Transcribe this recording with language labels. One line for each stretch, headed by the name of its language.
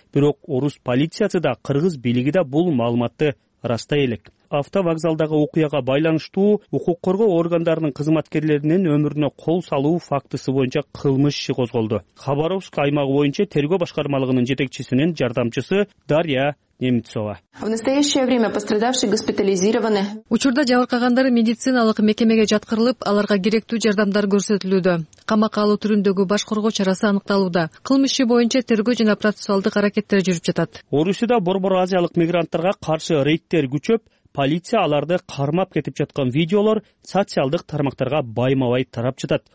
Kyrgyz: Бирок орус полициясы да, кыргыз бийлиги да бул маалыматты растай элек. Автовокзалдагы окуяга байланыштуу укук коргоо органдарынын кызматкерлеринин өмүрүнө кол салуу фактысы боюнча кылмыш иши козголду. Хабаровск аймагы боюнча тергөө башкармалыгынын жетекчисинин жардамчысы Дарья Немцова.
Russian: В настоящее время пострадавшие госпитализированы.
Kyrgyz: Учурда жабыркагандар медициналык мекемеге жаткырылып, аларга керектүү жардамдар көрсөтүлүүдө. Камакка алуу түрүндөгү баш коргоо чарасы аныкталууда. Кылмыш иши боюнча тергөө жана процессуалдык аракеттер жүрүп жатат. Орусияда борбор азиялык мигранттарга каршы рейдтер күчөп, полиция аларды кармап кетип жаткан видеолор социалдык тармактарга байма-бай тарап жатат.